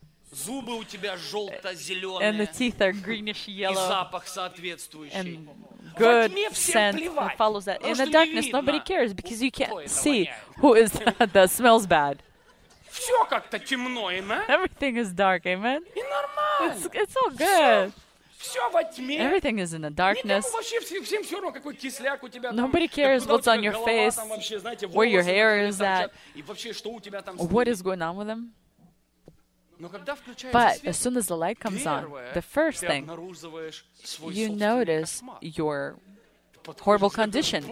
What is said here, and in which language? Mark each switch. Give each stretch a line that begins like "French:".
Russian: Зубы у тебя желто-зеленые.
English: And the teeth are greenish-yellow.
Russian: И запах соответствующий.
English: And good scent that follows that. In the darkness, nobody cares because you can't see who is that, that smells bad.
Russian: Все как-то темно, amen?
English: Everything is dark, amen?
Russian: И нормально.
English: It's all good.
Russian: Все во тьме.
English: Everything is in the darkness.
Russian: Всем все равно, какой кисляк у тебя.
English: Nobody cares what's on your face, where your hair is at, what is going on with them. But as soon as the light comes on, the first thing, you notice your horrible condition.